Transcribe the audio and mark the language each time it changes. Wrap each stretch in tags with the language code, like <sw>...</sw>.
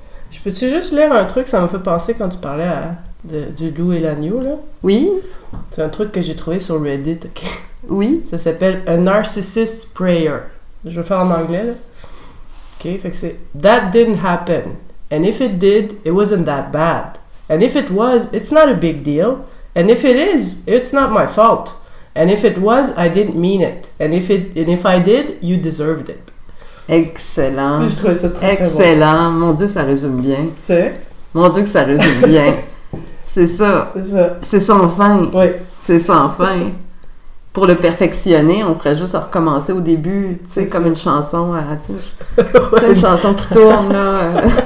<fr>Je peux-tu juste lire un truc, ça m'a fait penser quand tu parlais du loup et l'agneau, là? Oui. C'est un truc que j'ai trouvé sur Reddit, OK? Oui. Ça s'appelle « A narcissist prayer ». Je vais faire en anglais, là. OK, fait que c'est «</fr> <en>That didn't happen. And if it did, it wasn't that bad. And if it was, it's not a big deal. And if it is, it's not my fault. And if it was, I didn't mean it. And if I did, you deserved it. »</en> <fr>Excellent. Je trouvais ça très excellent. Très bon. Mon Dieu, ça résume bien. C'est? Mon Dieu, que ça résume bien. C'est ça. C'est ça. C'est sans fin. Oui. C'est sans fin. Pour le perfectionner, on ferait juste recommencer au début, tu sais, comme ça. Une chanson. Ouais. Une chanson qui tourne, là.</fr>